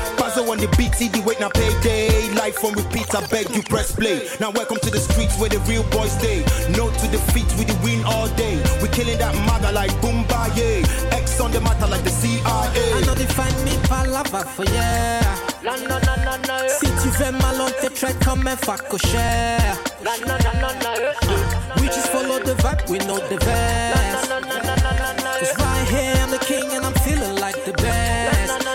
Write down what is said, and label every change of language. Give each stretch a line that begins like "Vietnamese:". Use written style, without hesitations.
English: Puzzle on the beat, see the wait na payday. Life on repeat, I beg you press play. Now welcome to the streets where the real boys stay. No to defeat, we the win all day. We killing that maga like Boomba, yeah. X on the matter like the CIA. I know they find me palava for yeah.
French: Si tu veux mal, on te traite comme un facochère.
English: We just follow the vibe, we know the best. Cause right here I'm the king and I'm feeling like the best.